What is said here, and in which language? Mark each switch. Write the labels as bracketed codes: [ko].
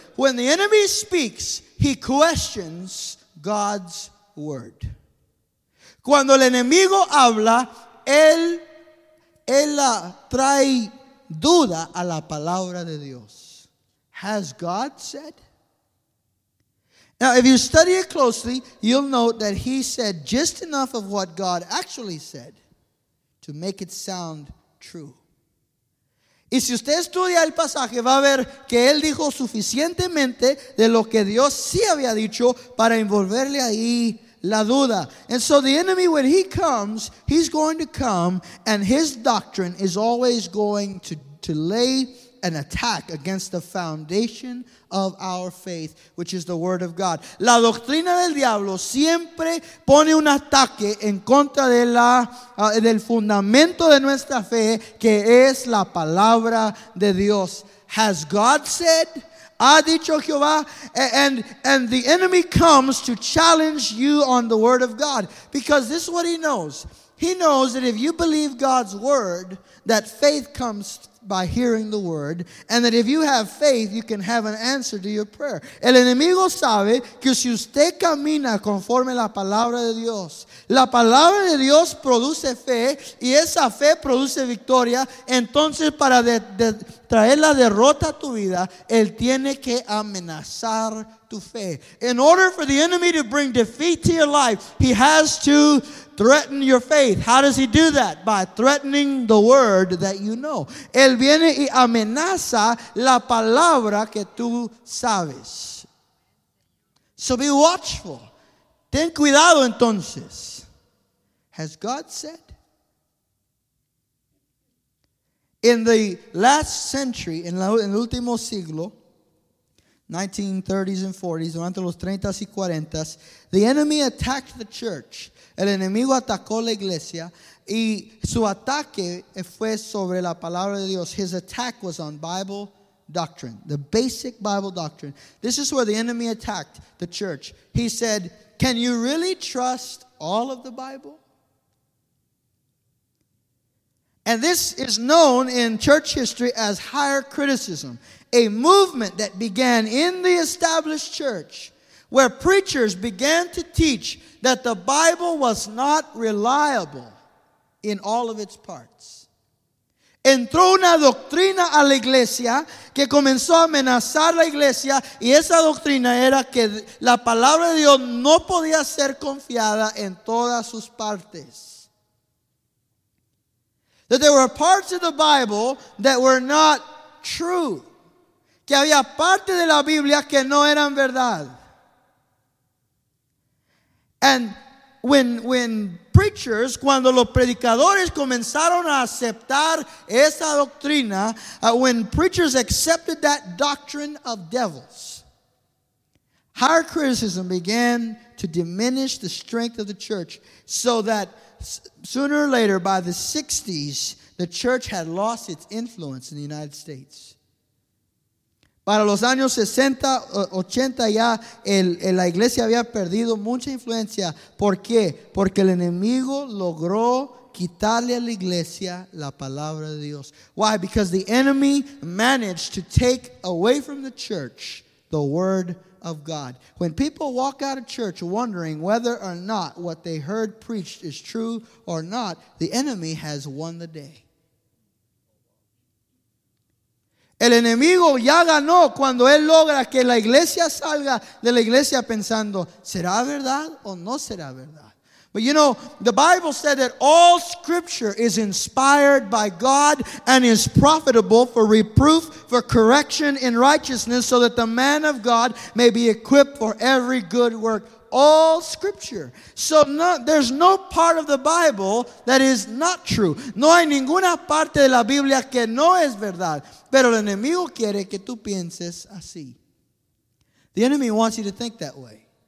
[en] When the enemy speaks, he questions God's word. [es] Cuando el enemigo habla, él trae duda a la palabra de Dios. [en] Has God said? Now, if you study it closely, you'll note that he said just enough of what God actually said to make it sound true. [es] Y si usted estudia el pasaje, va a ver que él dijo suficientemente de lo que Dios sí había dicho para envolverle ahí la duda. [en] And so the enemy, when he comes, he's going to come, and his doctrine is always going to lay an attack against the foundation of our faith, which is the word of God. [es] La doctrina del diablo siempre pone un ataque en contra de la del fundamento de nuestra fe, que es la palabra de Dios. [en] Has God said? [es] Ha dicho Jehová? [en] And the enemy comes to challenge you on the word of God, because this is what he knows. He knows that if you believe God's word, that faith comes by hearing the word, and that if you have faith, you can have an answer to your prayer. [es] El enemigo sabe que si usted camina conforme la palabra de Dios produce fe, y esa fe produce victoria. Entonces, para traer la derrota a tu vida, él tiene que amenazar tu fe. [en] In order for the enemy to bring defeat to your life, he has to threaten your faith. How does he do that? By threatening the word that you know. [es] Él viene y amenaza la palabra que tú sabes. [en] So be watchful. [es] Ten cuidado entonces. [en] Has God said? In the last century, [es] en el último siglo, [en] 1930s and 40s, [es] durante los 30s y 40s, [en] the enemy attacked the church. [es] El enemigo atacó la iglesia, y su ataque fue sobre la palabra de Dios. [en] His attack was on Bible doctrine, the basic Bible doctrine. This is where the enemy attacked the church. He said, can you really trust all of the Bible? And this is known in church history as higher criticism, a movement that began in the established church, where preachers began to teach that the Bible was not reliable in all of its parts. [es] Entró una doctrina a la iglesia que comenzó a amenazar la iglesia, y esa doctrina era que la palabra de Dios no podía ser confiada en todas sus partes. [en] That there were parts of the Bible that were not true. [es] Que había parte de la Biblia que no eran verdad. [en] And when preachers, [es] cuando los predicadores comenzaron a aceptar esa doctrina, [en] when preachers accepted that doctrine of devils, higher criticism began to diminish the strength of the church, so that sooner or later, by the 60s, the church had lost its influence in the United States. [es] Para los años 60, 80 ya, la iglesia había perdido mucha influencia. ¿Por qué? Porque el enemigo logró quitarle a la iglesia la palabra de Dios. [en] Why? Because the enemy managed to take away from the church the word of God. When people walk out of church wondering whether or not what they heard preached is true or not, the enemy has won the day. [es] El enemigo ya ganó cuando él logra que la iglesia salga de la iglesia pensando, ¿será verdad o no será verdad? [en] But you know, the Bible said that all scripture is inspired by God and is profitable for reproof, for correction in righteousness, so that the man of God may be equipped for every good work. All scripture. So there's no part of the Bible that is not true. [es] No hay ninguna parte de la Biblia que no es verdad. Pero el enemigo quiere que tú pienses así. [en] The enemy wants you to think that way.